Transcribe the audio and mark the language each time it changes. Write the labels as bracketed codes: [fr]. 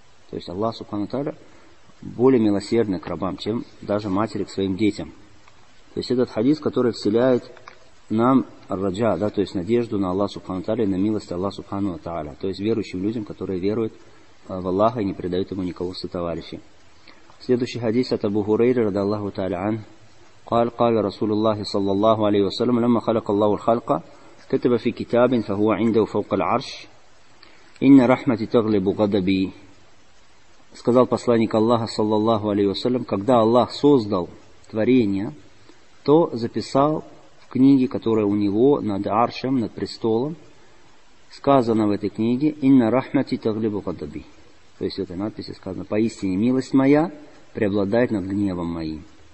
[ru] То есть Аллах, субхану таля, более милосердны к рабам, чем даже матери к своим детям. То есть этот хадис, который вселяет нам раджа, да, то есть надежду на Аллах Субхану Та'аля, на милость Аллаха Субхану Та'аля, то есть верующим людям, которые веруют в Аллаха и не предают ему никого сотоварищей. Следующий хадис от Абу Хурейры, рада Аллаху Та'аля ан, [ar] قال رسول الله صلى الله عليه وسلم لما خلق الله الخلق كتب في كتاب فهو عنده فوق العرش إن رحمتي تغلب غضبي. [ru] Сказал посланник Аллаха, саллаллаху алейхи вассалям, когда Аллах создал творение, то записал в книге, которая у него над аршем, над престолом, сказано в этой книге, «Инна рахмати таглибу гадаби». То есть в этой надписи сказано, «Поистине милость моя преобладает над гневом моим».